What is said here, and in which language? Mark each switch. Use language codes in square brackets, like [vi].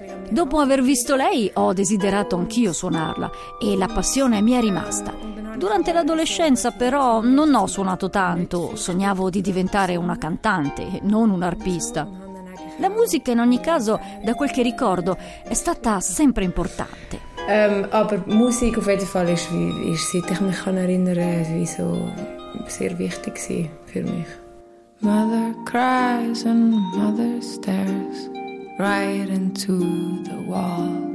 [it] Dopo aver visto lei, ho desiderato anch'io suonarla e la passione mi è rimasta. Durante l'adolescenza, però, non ho suonato tanto. Sognavo di diventare una cantante, non un arpista. La musica, in ogni caso, da quel che ricordo, è stata sempre importante. [de] Aber Musik auf jeden Fall ist seit ich mich kann erinnern, wieso sehr wichtig war für mich. [en] Mother cries and mother stares right into the wall.